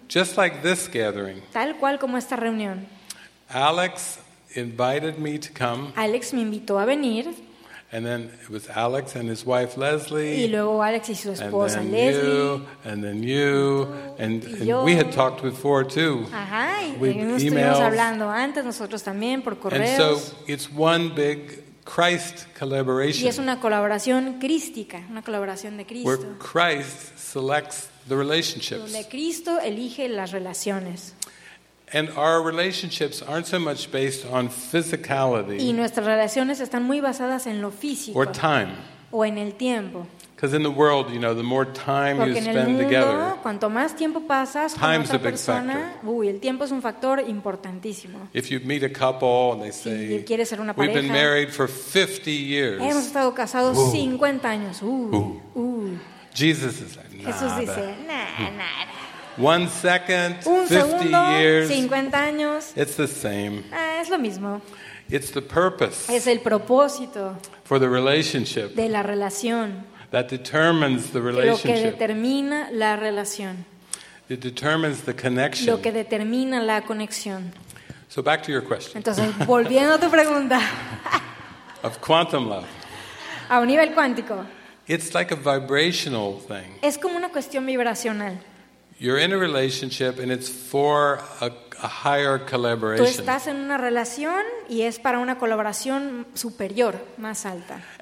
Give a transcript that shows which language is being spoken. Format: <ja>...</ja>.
<en>Just like this gathering.</en> <es>Tal cual como esta reunión.</es> <en>Alex invited me to come.</en> <es>Alex me invitó a venir.</es> <en>And then it was Alex and his wife Leslie.</en> <es>Y luego Alex y su esposa</es> <en>and</en> <es>Leslie.</es> <en>You, and then you, and we had talked before too.</en> <es>Ajá, y nos estuvimos hablando antes nosotros también por correos.</es> <en>And so it's one big Christ collaboration.</en> <es>Y es una colaboración crística, una colaboración de Cristo.</es> <en>Where Christ selects the relationships.</en> <es>Donde Cristo elige las relaciones.</es> <en>And our relationships aren't so much based on physicality.</en> <es>Y nuestras relaciones están muy basadas en lo físico.</es> <en>Or time.</en> <es>O en el tiempo.</es> <en>Because in the world, you know, the more time</en> <es>Porque</es> <en>you spend</en> <es>mundo,</es> <en>together,</en> <es>cuanto más tiempo pasas time's con otra persona, uy, el tiempo es un factor importantísimo.</es> <en>If you meet a couple and they say,</en> <es>si quieres ser una pareja,</es> <en>we've been married for 50 years.</en> <es>Hemos estado casados 50 años.</es> <en>Jesus is like, nada.</en> <es>Jesús dice, nada.</es> <en>1 second,</en> <es>un segundo,</es> <en>years,</en> <es>50 años,</es> <en>it's the same.</en> <es>Es lo mismo.</es> <en>It's the purpose.</en> <es>Es el propósito.</es> <en>For the relationship.</en> <es>De la relación.</es> <en>That determines the relationship.</en> <es>Lo que determina la relación.</es> <en>It determines the connection.</en> <es>Lo que determina la conexión.</es> <en>So back to your question.</en> <es>Entonces, volviendo a tu pregunta.</es> <en>Of quantum love.</en> <es>A un nivel cuántico.</es> <en>It's like a vibrational thing.</en> <es>Es como una cuestión vibracional.</es> <en>You're in a relationship and it's for a higher collaboration.</en> <es>Tú estás en una relación y es para una colaboración superior, más alta.</es>